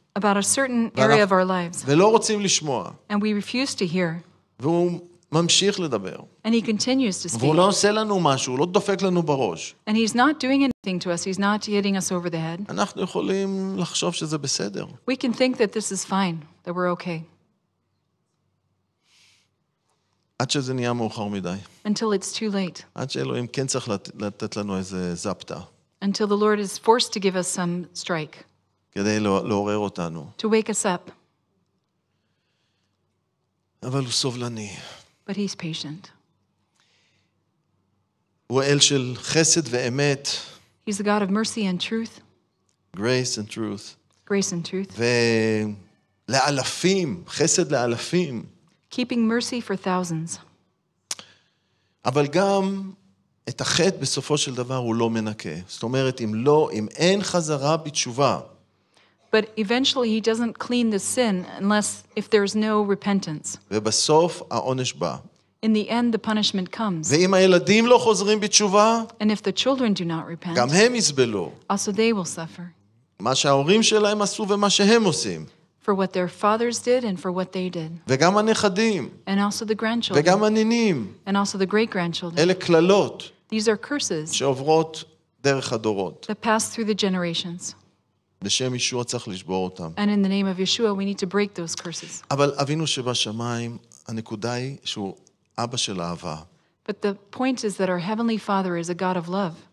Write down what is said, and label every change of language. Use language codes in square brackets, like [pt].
[en] about a certain area of our lives, [he] ולא רוצים לשמוע, [en] and we refuse to hear, [he] והוא ממשיך לדבר, [en] and he continues to speak, [he] והוא לא עושה לנו משהו, הוא לא דופק לנו בראש, [en] and he's not doing anything to us, he's not hitting us over the head, [he] אנחנו יכולים לחשוב שזה בסדר. [en] We can think that this is fine, that we're okay. [he] עד שזה נהיה מאוחר מדי. [en] Until it's too late. [he] עד שאלוהים כן צריך לתת לנו איזה זפתה. [en] Until the Lord is forced to give us some strike. [he] כדי לעורר אותנו. [en] To wake us up. [he] אבל הוא סובלני. [en] But he's patient. [he] הוא אל של חסד ואמת. [en] He's the God of mercy and truth. Grace and truth. Grace and truth. [he] ולאלפים, חסד לאלפים. [en] Keeping mercy for thousands. [he] אבל גם את החטא בסופו של דבר הוא לא מנקה. זאת אומרת, אם לא, אם אין חזרה בתשובה. [en] But eventually he doesn't clean the sin unless if there's no repentance. [he] ובסוף העונש בא. [en] In the end the punishment comes. [he] ואם הילדים לא חוזרים בתשובה, [en] and if the children do not repent, [he] גם הם יסבלו. [en] Also they will suffer. [he] מה שההורים שלהם עשו ומה שהם עושים. [en] For what their fathers did and for what they did. [he] וגם הנכדים. [en] And also the grandchildren. [he] וגם הנינים. [en] And also the great-grandchildren. [he] אלה קללות. [en] These are curses. [he] שעוברות דרך הדורות. [en] That pass through the generations. [he] בשם ישוע צריך לשבור אותם. [en] And in the name of Yeshua we need to break those curses. [he] אבל אבינו שבשמיים, הנקודה היא שהוא אבא של אהבה. [en] But the point is that our heavenly father is a God of love.